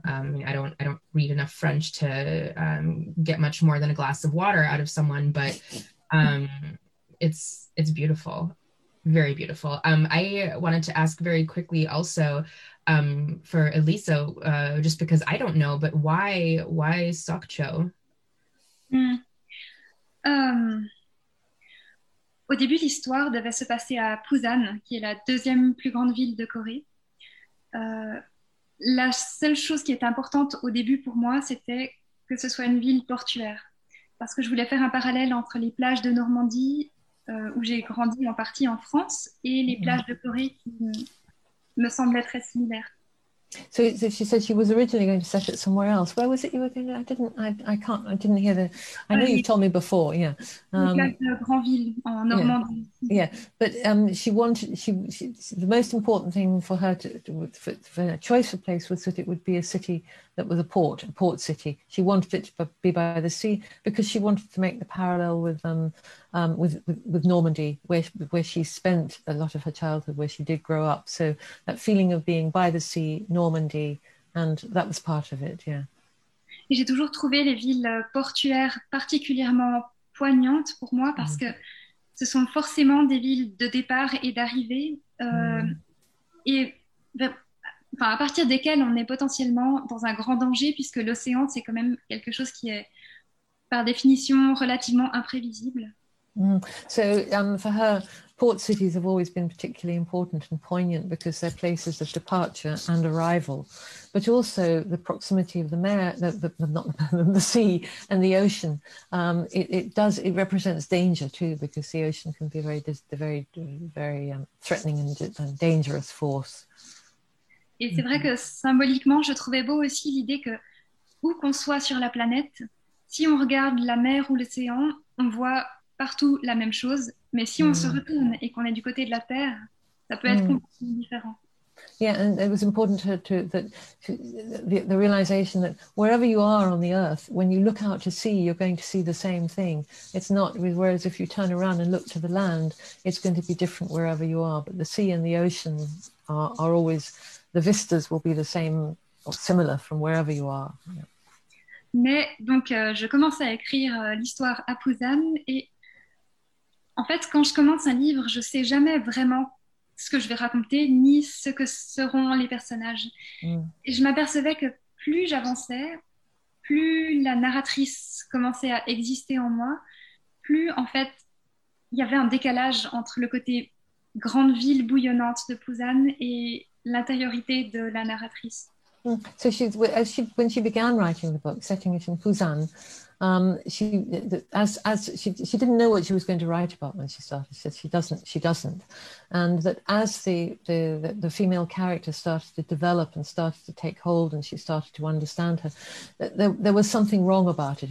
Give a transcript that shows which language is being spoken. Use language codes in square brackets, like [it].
[en] I don't read enough French to get much more than a glass of water out of someone, but it's beautiful, very beautiful. I wanted to ask very quickly also, for Elisa, just because I don't know, but why Sokcho? [fr] Au début, l'histoire devait se passer à Busan, qui est la deuxième plus grande ville de Corée. La seule chose qui était importante au début pour moi, c'était que ce soit une ville portuaire, parce que je voulais faire un parallèle entre les plages de Normandie, où j'ai grandi en partie en France, et les plages de Corée qui me semblaient très similaires. [en] So she said she was originally going to set it somewhere else. Where was it you were going to? I didn't hear the. I know you've told me before. Yeah. [fr] Grandville en Normandie. [en] Yeah, yeah. But she wanted. She the most important thing for her for her choice of place was that it would be a city that was a port city. She wanted it to be by the sea because she wanted to make the parallel with Normandy, where she spent a lot of her childhood, where she did grow up. So that feeling of being by the sea, Normandy, and that was part of it, yeah. [fr] Et j'ai toujours trouvé les villes portuaires particulièrement poignantes pour moi parce que ce sont forcément des villes de départ et d'arrivée. Enfin, à partir desquelles on est potentiellement dans un grand danger, puisque l'océan, c'est quand même quelque chose qui est, par définition, relativement imprévisible. [en] So, for her, port cities have always been particularly important and poignant because they're places of departure and arrival, but also the proximity of the mare, the sea and the ocean. It represents danger too, because the ocean can be very, very threatening and dangerous force. [fr] Et c'est vrai que symboliquement, je trouvais beau aussi l'idée que où qu'on soit sur la planète, si on regarde la mer ou l'océan, on voit partout la même chose. Mais si on se retourne et qu'on est du côté de la Terre, ça peut être complètement différent. [en] Yeah, and it was important to the realization that wherever you are on the Earth, when you look out to sea, you're going to see the same thing. It's not, whereas if you turn around and look to the land, it's going to be different wherever you are. But the sea and the ocean are always, the vistas will be the same or similar from wherever you are. Yeah. [fr] Mais donc, je commençais à écrire l'histoire à Busan et en fait, quand je commence un livre, je sais jamais vraiment ce que je vais raconter, ni ce que seront les personnages. Et je m'apercevais que plus j'avançais, plus la narratrice commençait à exister en moi, plus en fait, il y avait un décalage entre le côté grande ville bouillonnante de Pousanne et l'intériorité de la narratrice. [en] So when she began writing the book, setting it in Pusan, she didn't know what she was going to write about when she started. She doesn't, and that as the female character started to develop and started to take hold, and she started to understand her, there was something wrong about it.